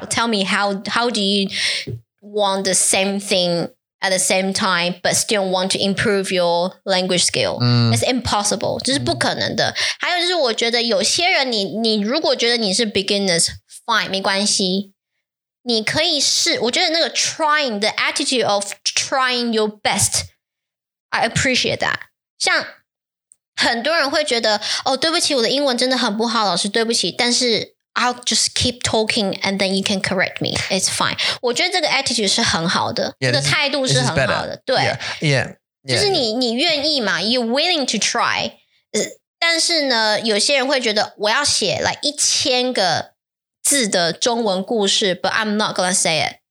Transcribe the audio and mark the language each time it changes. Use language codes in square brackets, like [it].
[en] Tell me, how do you want the same thing at the same time, but still want to improve your language skill? It's impossible. [zh] 这是不可能的。还有就是我觉得有些人你如果觉得你是 beginners, fine, 没关系。你可以试。我觉得那个 [en] trying, the attitude of trying your best, I appreciate that. [zh] 像很多人会觉得哦，对不起，我的英文真的很不好，老师对不起。但是 [en] I'll just keep talking, and then you can correct me. It's fine. [zh] 我觉得这个 attitude 是很好的，这个态度是很好的。对 [en] ，Yeah, [zh] 就是你愿意嘛 ？ [en] You're willing to try. [zh] 但是呢，有些人会觉得我要写 like 1000个字的中文故事 ， [en] but I'm not gonna say it.